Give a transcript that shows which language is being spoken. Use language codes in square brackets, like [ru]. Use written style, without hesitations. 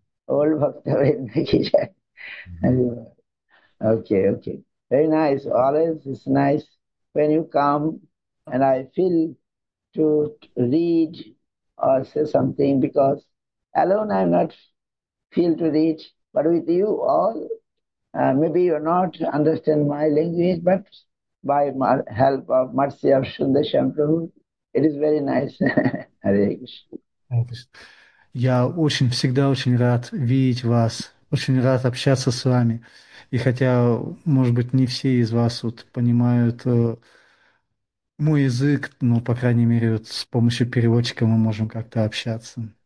[hi] Old Бхакта Вринда Ки Джай. [en] Okay, okay. Very nice. Always it's nice when you come and I feel to read or say something because alone I'm not feel to read, but with you all, maybe you not understand my language, but by help of mercy of Sunda Shamprabhu, it is very nice. Hare Krishna. [ru] Я очень всегда очень рад видеть вас, Очень рад общаться с вами. И хотя, может быть, не все из вас вот понимают мой язык, но, по крайней мере, вот с помощью переводчика мы можем как-то общаться.